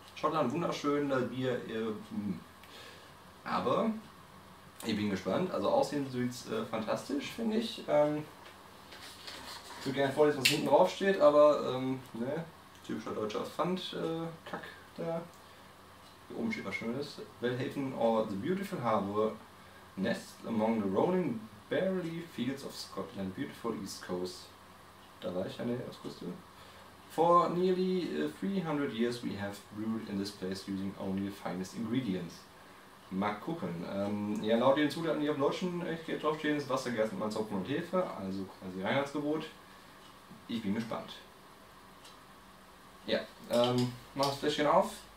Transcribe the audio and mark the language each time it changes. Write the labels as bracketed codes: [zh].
[de] Schottland, wunderschön, das Bier. Aber ich bin gespannt. Also aussehen sieht es fantastisch, finde ich. Ich würde gerne vorlesen, was hinten drauf steht, aber typischer deutscher Pfand-Kack da. Hier oben steht was Schönes. [en] Bellhaven or the beautiful harbour. Nest among the rolling barley fields of Scotland, beautiful east coast. [de] Da war ich an der Ostküste. [en] For nearly 300 years we have brewed in this place using only the finest ingredients. [de] Mal gucken. Ja, laut den Zutaten, die auf Deutschen draufstehen, ist Wasser, Gerste, Malz, Hopfen und Hefe, also quasi Reinheitsgebot. Ich bin gespannt. Ja, mach das Fläschchen auf.